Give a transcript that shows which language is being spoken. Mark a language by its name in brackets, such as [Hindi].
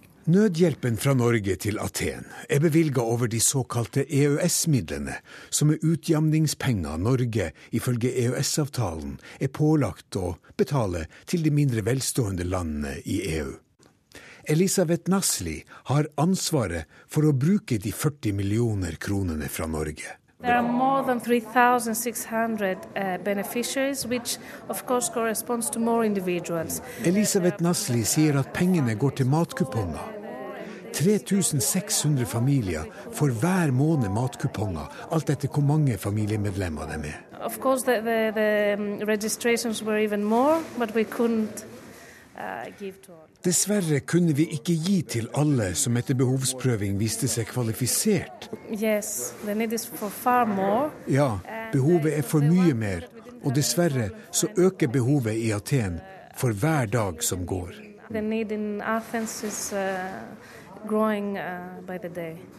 [Norwegian] Nødhjelpen fra Norge til Aten er bevilget over de såkalte EØS-midlene, som er utjamningspenger Norge, ifølge EØS-avtalen, er pålagt å betale til de mindre velstående landene i EU. Elisabeth Nasli har ansvaret for å bruke de 40 millioner kronene fra Norge. [English] There are more than 3,600 beneficiaries, which of course corresponds to more individuals. [Norwegian] Elisabeth Nasli sier at pengene går til matkuponger. 3,600 familier får hver måned matkuponger, alt etter hvor mange familiemedlemmer de er. [English] Of course the registrations were even more, but we couldn't give to all. [Norwegian] Dessverre kunne vi ikke gi til alle som etter behovsprøving viste seg kvalifisert. [English] Yes, the need is for far more. [Norwegian] Ja, behovet er for mye mer, og dessverre så øker behovet i Aten for hver dag som går. [English] The need in Athens is growing by the day.